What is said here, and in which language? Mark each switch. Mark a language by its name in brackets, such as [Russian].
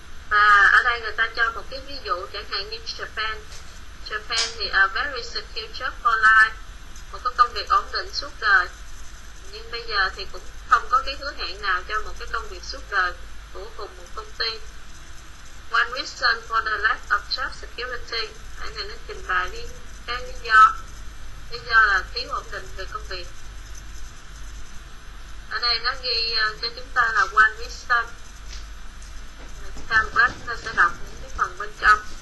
[Vietnamese] Và ở đây người ta cho một cái ví dụ, chẳng hạn như Japan thì [English] a very secure job for life, [Vietnamese] một cái công việc ổn định suốt đời. Nhưng bây giờ thì cũng không có cái hứa hẹn nào cho một cái công việc suốt đời của cùng một công ty. [English] One reason for the lack of job security. [Vietnamese] Anh này nó trình bày đi cái lý do. Lý do là thiếu ổn định về công việc. Ở đây nó ghi cho chúng ta là one reason. Sam Brad nó sẽ đọc những cái phần bên trong.